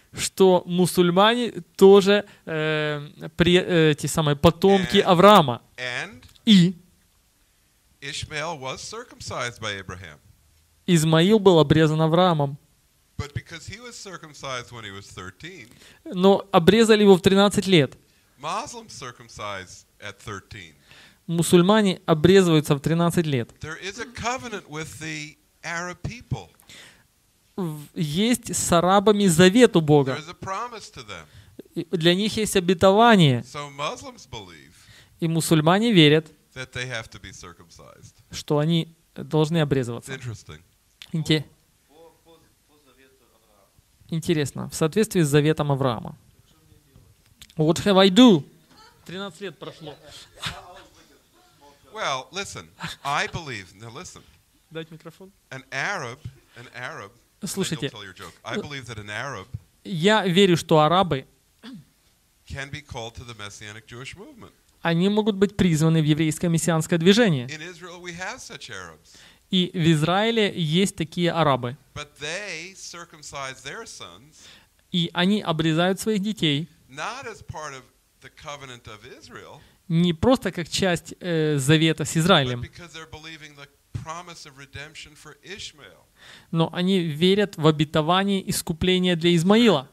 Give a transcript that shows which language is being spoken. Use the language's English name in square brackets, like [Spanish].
[Russian] Что мусульмане тоже те самые потомки Авраама. [English] And [Russian] и [English] Ishmael was circumcised by Abraham. [Russian] Измаил был обрезан Авраамом. [English] But because he was circumcised when he was 13. [Russian] Но обрезали его в 13 лет. [English] Muslims circumcise at 13. [Russian] Мусульмане обрезываются в 13 лет. [English] There is a covenant with the Arab people. [Russian] Есть с арабами завет у Бога. [English] There is a promise to them. [Russian] Для них есть обетование. [English] So Muslims believe. [Russian] И мусульмане верят, [English] that they have to be circumcised. [Russian] Что они должны обрезываться. [English] It's interesting. [Russian] Интересно. В соответствии с заветом Авраама. [English] What have I do? [Russian] 13 лет прошло. [English] Well, listen. I believe. Now listen. [Russian] Дать микрофон. [English] An Arab. [Russian] Слушайте. [English] Tell your joke. I believe that an Arab. [Russian] Я верю, что арабы. [English] Can be called to the Messianic Jewish movement. [Russian] Они могут быть призваны в еврейское мессианское движение. [English] In Israel we have such Arabs. [Russian] И в Израиле есть такие арабы. [English] But they circumcise their sons. [Russian] И они обрезают своих детей. [English] Not as part of the covenant of Israel. [Russian] Не просто как часть завета с Израилем. [English] But because they're believing the promise of redemption for Ishmael. [Russian] Но они верят в обетование искупления для Измаила.